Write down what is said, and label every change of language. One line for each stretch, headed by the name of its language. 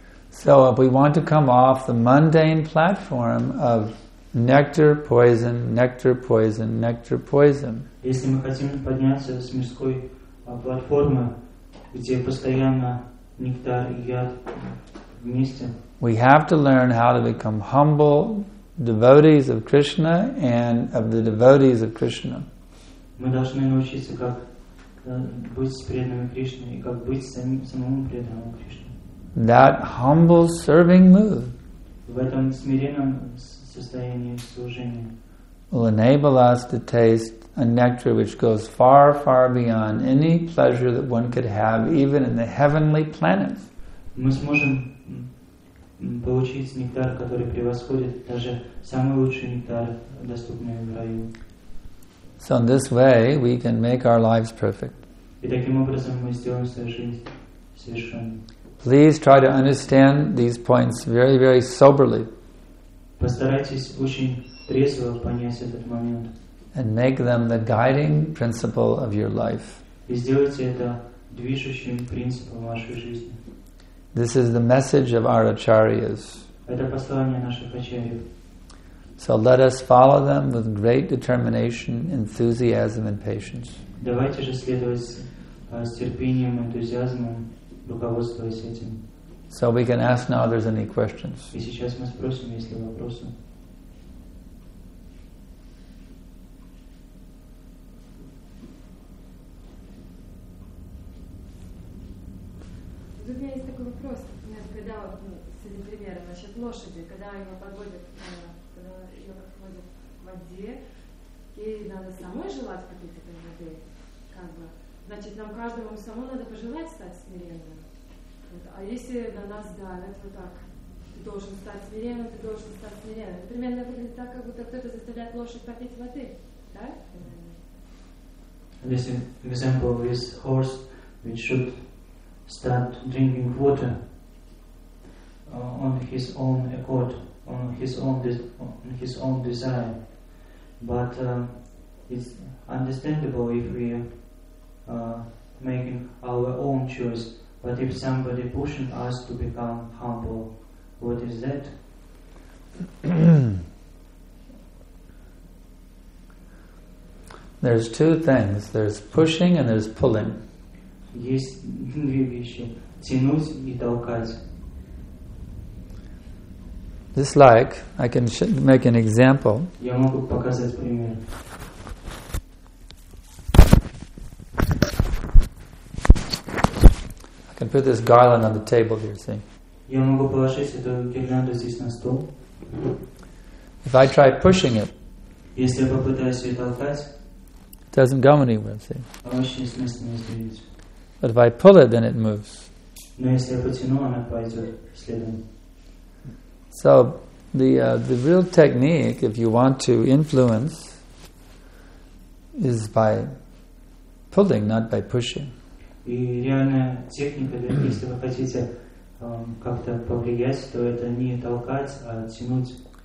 English: So if we want to come off the mundane platform of nectar, poison, nectar, poison, nectar, poison,
Russian: если мы хотим подняться с мирской платформы, где постоянно нектар и яд вместе.
English: We have to learn how to become humble devotees of Krishna and of the devotees of Krishna.
Russian: Мы должны научиться, как быть с преданными Кришне и как быть самому преданному Кришне.
English: That humble serving mood
Russian: в этом смиренном состоянии служения
English: will enable us to taste a nectar which goes far, far beyond any pleasure that one could have even in the heavenly planets.
Russian: Мы сможем получить нектар, который превосходит даже самый лучший нектар, доступный в раю.
English: So in this way, we can make our lives perfect.
Russian: И таким образом мы сделаем свою жизнь совершенной.
English: Please try to understand these points very, very soberly.
Russian: Постарайтесь очень трезво понять этот момент.
English: And make them the guiding principle of your life.
Russian: И сделайте это движущим принципом вашей жизни.
English: This is the message of our acharyas.
Russian: Это послание наших ачарьев.
English: So let us follow them with great determination, enthusiasm, and patience.
Russian: Давайте же следовать с терпением, энтузиазмом, руководствуясь этим.
English: So we can ask now if there's any questions.
Russian: И сейчас мы спросим, есть ли вопросы. У меня есть такой вопрос, когда с этим примером, значит, лошади, когда ее подводят, когда ее подводят к воде, ей надо самой желать попить этой воды, как бы. Значит, нам каждому самому надо пожелать стать смиренным. Вот. А если на нас давят вот так, ты должен стать смиренным, ты должен стать смиренным. Это примерно выглядит так, как будто кто-то заставляет лошадь попить воды, да?
English: This example is horse which should start drinking water on his own accord, on his own desire. But it's understandable if we are making our own choice. But if somebody pushing us to become humble, what is that? There's two things. There's pushing and there's pulling.
Russian: Есть две вещи: тянуть и толкать.
English: Just like I can make an example.
Russian: Я могу показать пример.
English: I can put this garland on the table here, see.
Russian: Я могу положить эту гирлянду здесь на стол.
English: If I try pushing it,
Russian: если я попытаюсь ее толкать,
English: it doesn't go anywhere, see.
Russian: Она вообще с места не сдвинется.
English: But if I pull it, then it moves.
Russian: Но если я потяну, она пойдет следом.
English: So The real technique, if you want to influence, is by pulling, not by pushing.
Russian: И реальная техника, если вы хотите как-то повлиять, то это не толкать, а тянуть.